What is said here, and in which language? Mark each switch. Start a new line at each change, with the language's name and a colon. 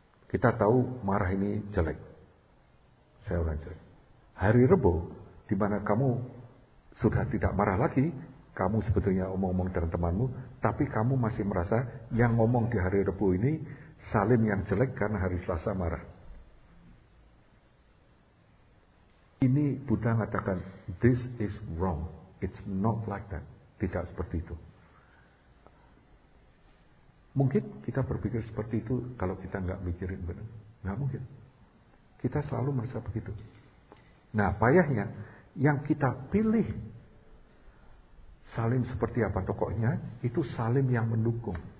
Indonesian: Kita tahu marah ini jelek. Saya orang jelek. Hari Rebo, di mana kamu sudah tidak marah lagi, kamu sebetulnya omong-omong dengan temanmu, tapi kamu masih merasa yang ngomong di hari Rebo ini salim yang jelek karena hari Selasa marah. Ini Buddha mengatakan,
English: this is wrong. It's not like that.
Indonesian: Tidak seperti itu. Mungkin kita berpikir seperti itu kalau kita enggak mikirin benar. Enggak mungkin. Kita selalu merasa begitu. Nah, payahnya yang kita pilih salim seperti apa tokohnya, itu salim yang mendukung.